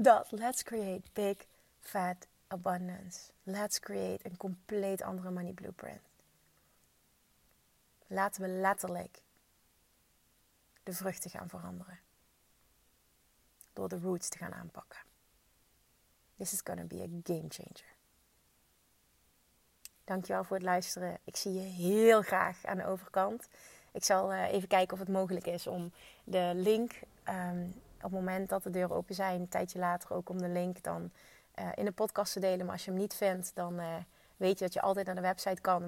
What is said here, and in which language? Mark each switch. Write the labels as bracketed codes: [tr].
[en] Let's create big, fat abundance. Let's create [nl] een compleet andere [en] money blueprint. [nl] Laten we letterlijk de vruchten gaan veranderen. Door de roots te gaan aanpakken. [en] This is going to be a game changer. [nl] Dankjewel voor het luisteren. Ik zie je heel graag aan de overkant. Ik zal even kijken of het mogelijk is om de link... op het moment dat de deuren open zijn, een tijdje later ook om de link dan in de podcast te delen. Maar als je hem niet vindt, dan weet je dat je altijd naar de website kan.